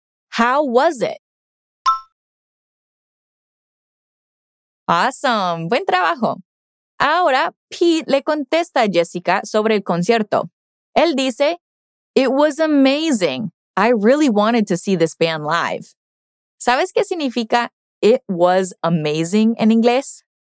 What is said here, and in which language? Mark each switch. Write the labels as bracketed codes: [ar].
[en] How was it? Awesome. [es] Buen trabajo. Ahora, Pete le contesta a Jessica sobre el concierto. Él dice, [en] It was amazing. I really wanted to see this band live. [es] ¿Sabes qué significa [en] it was amazing [es] en inglés?